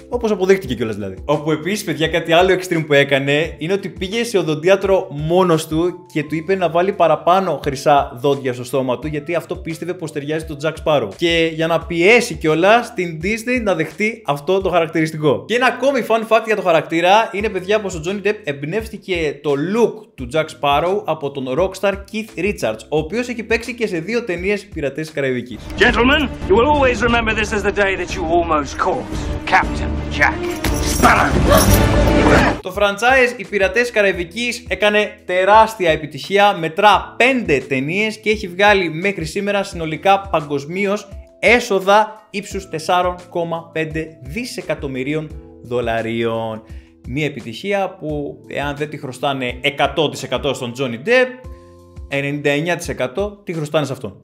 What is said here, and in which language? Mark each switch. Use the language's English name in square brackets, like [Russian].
[Greek] Όπως αποδείχτηκε κιόλας δηλαδή. Όπου επίσης παιδιά κάτι άλλο extreme που έκανε είναι ότι πήγε σε οδοντίατρο μόνος του και του είπε να βάλει παραπάνω χρυσά δόντια στο στόμα του γιατί αυτό πίστευε πως ταιριάζει τον Jack Sparrow. Και για να πιέσει κιόλας την Disney να δεχτεί αυτό το χαρακτηριστικό. Και ένα ακόμη fun fact για το χαρακτήρα είναι παιδιά πως ο Johnny Depp εμπνεύστηκε το look του Jack Sparrow από τον rockstar Keith Richards, ο οποίος έχει παίξει και σε δύο ταινίες Πειρατές της Καραϊβικής. [English] Gentlemen, you will always remember this as the day that you almost caught Captain Jack Sparrow. [Greek] Το franchise Οι Πειρατές της Καραϊβικής έκανε τεράστια επιτυχία, μετρά 5 ταινίες και έχει βγάλει μέχρι σήμερα συνολικά παγκοσμίως έσοδα ύψους 4,5 δισεκατομμυρίων δολαρίων. Μία επιτυχία που εάν δεν τη χρωστάνε 100% στον Johnny Depp, 99% τη χρωστάνε σε αυτόν.